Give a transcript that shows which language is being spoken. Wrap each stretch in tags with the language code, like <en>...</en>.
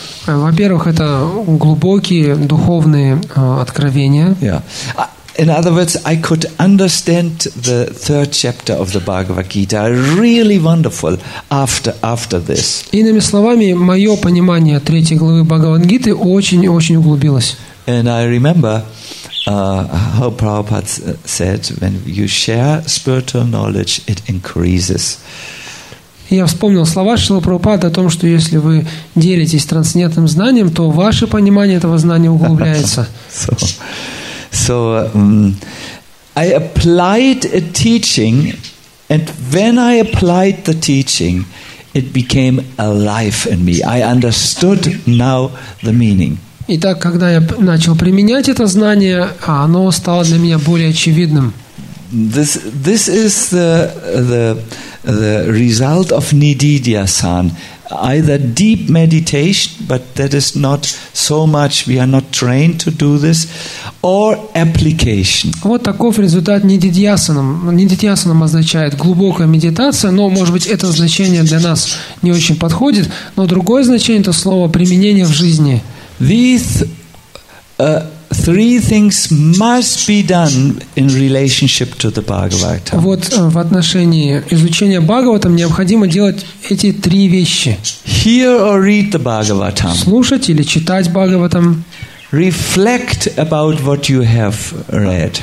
<ru>Во-первых, это глубокие духовные откровения.</ru> <en>Yeah. In other words, I could understand the third chapter of the Bhagavad Gita really wonderful after this.</en> <ru>Иными словами, мое понимание третьей главы Бхагавад Гиты очень-очень углубилось.</ru> <en>And I remember how Prabhupada said, when you share spiritual knowledge, it increases.</en> <ru>Я вспомнил слова Шрилы Прабхупады о том, что если вы делитесь трансцендентным знанием, то ваше понимание этого знания углубляется.</ru> <en>So, I applied a teaching, and when I applied the teaching, it became alive in me. I understood now the meaning.</en> <ru>Итак, когда я начал применять это знание, оно стало для меня более очевидным.</ru> <en>This is the result of Nididhyasana. Either deep meditation, but that is not so much, we are not trained to do this, or application.</en> <ru>Вот таков результат Нididhyasana. Нididhyasana означает глубокая медитация, но, может быть, это значение для нас не очень подходит, но другое значение – это слово «применение в жизни».</ru> <en>These three things must be done in relationship to the Bhagavatam.</en> <ru>Вот в отношении изучения Бхагаватам необходимо делать эти три вещи.</ru> <en>Hear or read the Bhagavatam.</en> <ru>Слушать или читать Бхагаватам.</ru> <en>Reflect about what you have read.</en>